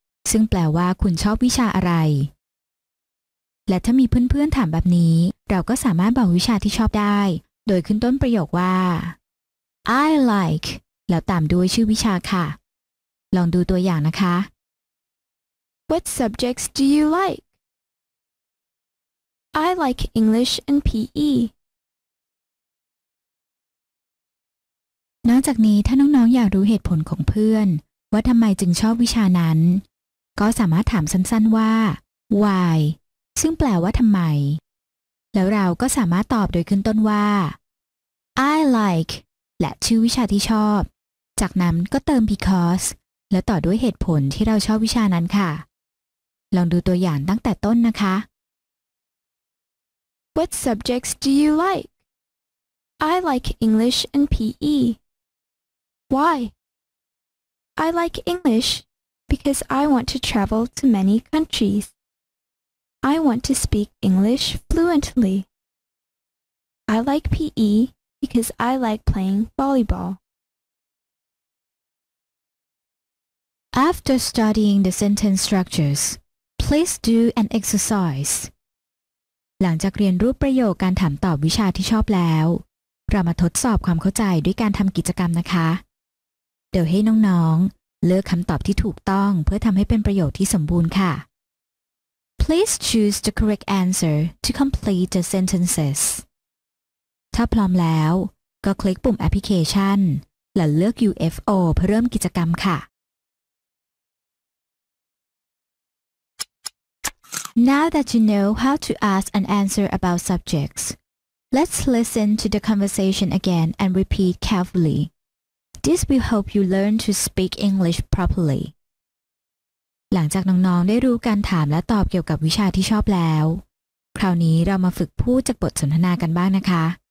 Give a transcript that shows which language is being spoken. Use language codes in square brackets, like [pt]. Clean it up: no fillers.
[th] ซึ่งแปลว่าคุณชอบวิชาอะไรและถ้ามีเพื่อนๆถามแบบนี้เราก็สามารถบอกวิชาที่ชอบได้โดยขึ้นต้นประโยคว่า I like แล้วตามด้วยชื่อวิชาค่ะลองดูตัวอย่างนะคะ [en] What subjects do you like? I like English and PE. [th] นอกจากนี้ถ้าน้องๆ อยากรู้เหตุผลของเพื่อนว่าทำไมจึงชอบวิชานั้นก็สามารถถามสั้นๆว่า why ซึ่งแปลว่าทำไมแล้วเราก็สามารถตอบโดยขึ้นต้นว่า I like และชื่อวิชาที่ชอบจากนั้นก็เติม because แล้วต่อด้วยเหตุผลที่เราชอบวิชานั้นค่ะลองดูตัวอย่างตั้งแต่ต้นนะคะ [en] What subjects do you like? I like English and PEWhy? I like English because I want to travel to many countries. I want to speak English fluently. I like PE because I like playing volleyball. After studying the sentence structures, please do an exercise. [th] หลังจากเรียนรูปประโยคการถามตอบวิชาที่ชอบแล้วเรามาทดสอบความเข้าใจด้วยการทำกิจกรรมนะคะเดี๋ยวให้น้องๆเลือกคำตอบที่ถูกต้องเพื่อทำให้เป็นประโยคที่สมบูรณ์ค่ะ [en] Please choose the correct answer to complete the sentences. [th] ถ้าพร้อมแล้วก็คลิกปุ่มแอปพลิเคชันและเลือก UFO เพื่อเริ่มกิจกรรมค่ะ [en] Now that you know how to ask and answer about subjects, let's listen to the conversation again and repeat carefully. This will help you learn to speak English properly. [th] หลังจากน้องๆได้รู้การถามและตอบเกี่ยวกับวิชาที่ชอบแล้วคราวนี้เรามาฝึกพูดจากบทสนทนากันบ้างนะคะ